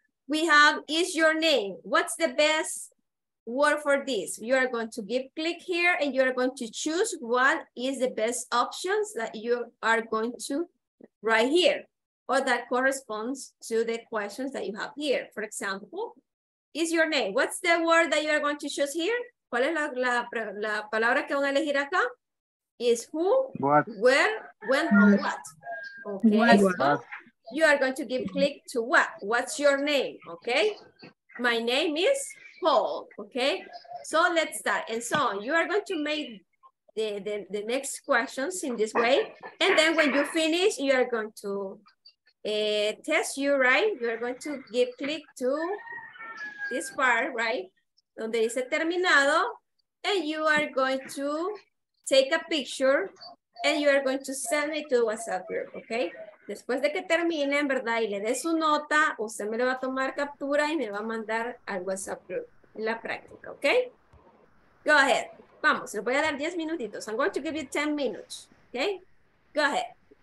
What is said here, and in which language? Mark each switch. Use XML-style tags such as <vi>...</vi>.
<en>we have is your name. What's the best word for this? You are going to give click here and you are going to choose what is the best options that you are going to write here or that corresponds to the questions that you have here. For example, is your name. What's the word that you are going to choose here?</en> <es>¿Cuál es la palabra que van a elegir acá?</es> <en>Is who, what? Where, when, or what? Okay, what? So you are going to give click to what? What's your name, okay? My name is Paul, okay? So let's start, and so on. You are going to make the next questions in this way, and then when you finish, you are going to test you, right? You are going to give click to this part, right?</en> <es>Donde dice terminado,</es> <en>and you are going to take a picture and you are going to send it to the WhatsApp group, okay?</en> <es>Después de que terminen, ¿verdad? Y le dé su nota, usted me lo va a tomar captura y me va a mandar al WhatsApp group en la práctica, okay?</es> <en>Go ahead.</en> <es>Vamos, le voy a dar 10 minutitos.</es> <en>I'm going to give you 10 minutes, okay? Go ahead.</en>